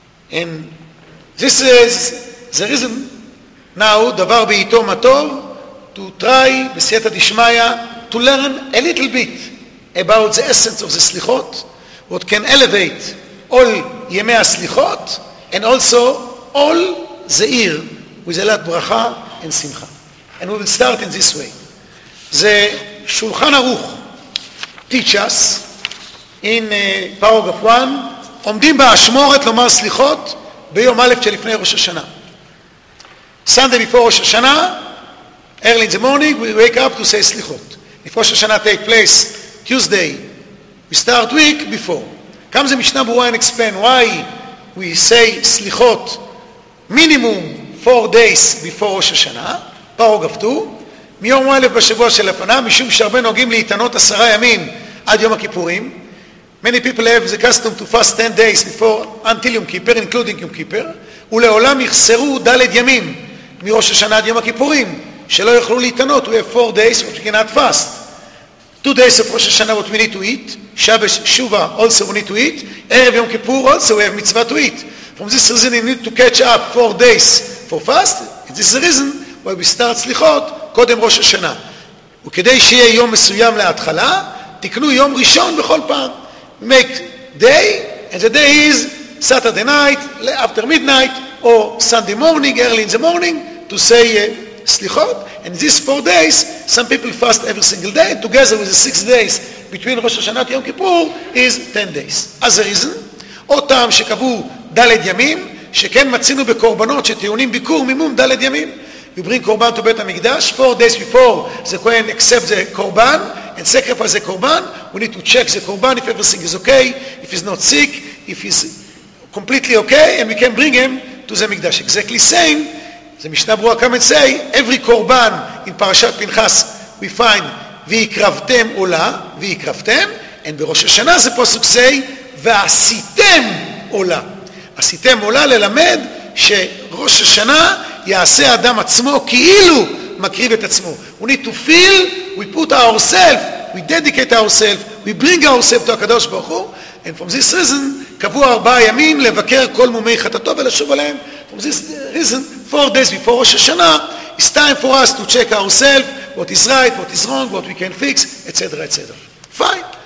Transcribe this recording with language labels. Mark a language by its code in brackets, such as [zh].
[en] And this is the reason now, Davar Beito Matov, to try, b'siyata dishmaya, to learn a little bit about the essence of the slichot, what can elevate all yemei haslichot, and also all the year with a lot of bracha and simcha. And we will start in this way. The Shulchan Aruch teach us in paragraph 1, [he] עומדים באשמורת לומר סליחות ביום א' שלפני ראש השנה. [en] Sunday before ראש השנה, early in the morning, we wake up to say slichot. If Rosh Hashanah take place Tuesday, we start week before. Comes the Mishnah Berurah and explain why we say Slichot minimum 4 days before Rosh Hashanah, Parog Avtu, [he] מיום א' בשבוע שלפנה, משום שהרבה נוהגים להתענות 10 ימים עד יום הכיפורים. [en] Many people have the custom to fast 10 days before until Yom Kippur, including Yom Kippur, [he] ולעולם יחסרו דלת ימים מראש השנה עד יום הכיפורים, שלא יוכלו להתענות. [en] We have 4 days, which cannot fast. 2 days of Rosh Hashanah, what we need to eat. Shabbos, Shuvah, also we need to eat. ערב יום כיפור, also we have mitzvah to eat. From this reason, we need to catch up 4 days for fast. This is the reason why we start Slichot [he] קודם ראש השנה. וכדי שיהיה יום מסוים להתחלה, תקנו יום ראשון בכל פעם. [en] We make day, and the day is Saturday night, after midnight, or Sunday morning, early in the morning, to say Slichot. And these 4 days, some people fast every single day, together with the 6 days between Rosh Hashanah to Yom Kippur, is 10 days. As a reason, [he] עוד טעם שקבעו דלת ימים, [en] שכן מצינו בקורבנות שטעונים ביקור מימום דלת ימים, you bring korban to Beit HaMikdash, 4 days before the Kohen accept the korban, and sacrifice the korban, we need to check the korban, if everything is okay, if he's not sick, if he's completely okay, and we can bring him to the Mikdash. Exactly same, the Mishnah Berurah come and say, every korban in Parashat Pinchas, we find, [he] ויקרבתם עולה, ויקרבתם, [en] and [he] בראש השנה זה פסוק [en] say, [he] ועשיתם עולה. עשיתם עולה ללמד, שראש השנה יעשה אדם עצמו כאילו מקריב את עצמו. [en] We need to feel, we put ourselves, we dedicate ourselves, we bring ourselves to הקדוש ברוך הוא, and from this reason, [he] קבעו 4 ימים לבקר כל מומי חטאתו ולשוב עליהם. [en] From this reason, 4 days before ראש השנה, it's time for us to check ourselves, what is right, what is wrong, what we can fix, etc. etc. Fine.